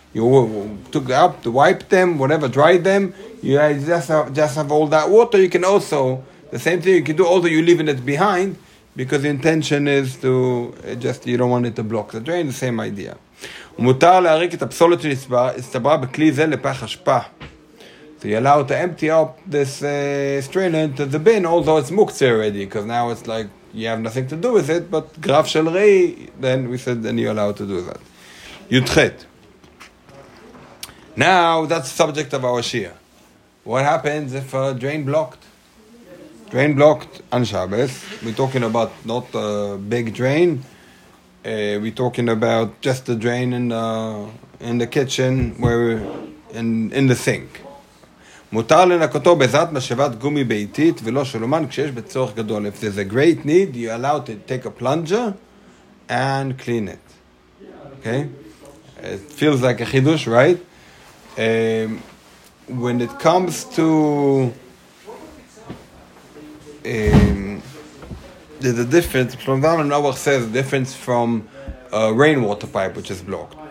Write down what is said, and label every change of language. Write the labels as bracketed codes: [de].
[en] You took out, wiped them, whatever, dried them, you just have all that water. You can also, the same thing you can do, although you're leaving it behind, because the intention is to, just you don't want it to block the drain, the same idea. [he] ומותר להריק את הפסולת שהצטברה בכלי זה לפח אשפה. [en] So you're allowed to empty up this strainer into the bin, although it's mukzeh already, because now it's like you have nothing to do with it, but graf shel rei, then we said, then you're allowed to do that. Yudchet. Now, that's the subject of our shir. What happens if a drain blocked? Drain blocked on Shabbos. We're talking about not a big drain. We're talking about just the drain in the kitchen, where in the sink. [he] מותר לנקותו בעזרת משאבת גומי ביתית ולא שלומן כשיש בצורך גדול. [en] If there's a great need, you allow to take a plunger and clean it. Okay? It feels like a chidush, right? When it comes to the difference, Shlomzal and Noach says the difference from a rainwater pipe which is blocked.